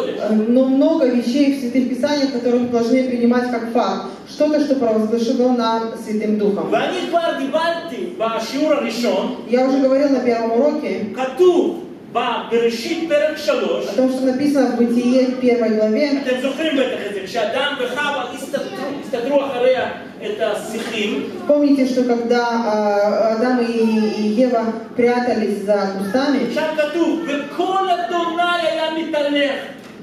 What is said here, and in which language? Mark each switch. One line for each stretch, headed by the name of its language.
Russian: Но много вещей в Святых Писаниях, которые мы должны принимать как факт. Что-то, что провозглашено нам Святым Духом. Я уже говорил на первом уроке.
Hebrew: בראשית פרק 3,
Russian: о том, что написано в Бытие в первой главе,
Hebrew: אתם זוכרים בטח את זה, כשאדם וחווה הסתתרו אחריה את השיחים.
Russian: Помните, что когда Адам и Ева прятались за кустами,
Hebrew: שם כתוב, וכל אדוני היה מתהלך